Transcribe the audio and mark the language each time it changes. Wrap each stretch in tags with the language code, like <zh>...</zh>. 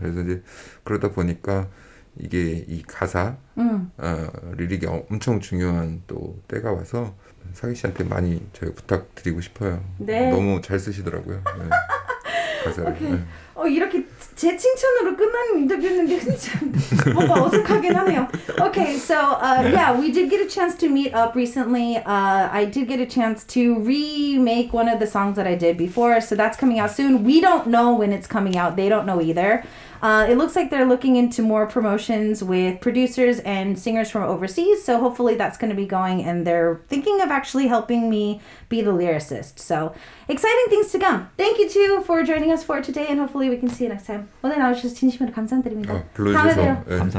<ko>그래서 이제 그러다 보니까 이게 이 가사 리릭이 엄청 중요한 또 때가 와서 사기 씨한테 많이 저희 부탁드리고 싶어요. 네. 너무 잘 쓰시더라고요. 네. 가사를. 오케이. 네. 이렇게 제 칭찬으로 끝나는 인터뷰였는데 진짜 뭔가 어색하긴 하네요.</ko> <en>Okay, so yeah, we did get a chance to meet up recently. I did get a chance to remake one of the songs that I did before, so that's coming out soon. We don't know when it's coming out. They don't know either. It looks like they're looking into more promotions with producers and singers from overseas. So hopefully that's going to be going and they're thinking of actually helping me be the lyricist. So exciting things to come. Thank you too for joining us for today and hopefully we can see you next time.</en> <ko>오늘 나와주셔서 진심으로 감사드립니다. 불러주셔서 네, 감사합니다.</ko>